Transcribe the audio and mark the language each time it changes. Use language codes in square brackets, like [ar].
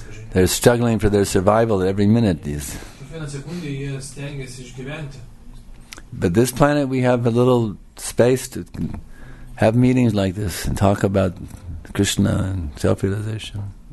[en] They're struggling for their survival every minute, these. [lt] Kiekvieną sekundę jie stengiasi išgyventi. [en] But this planet, we have a little space to have meetings like this and talk about Krishna and self-realization.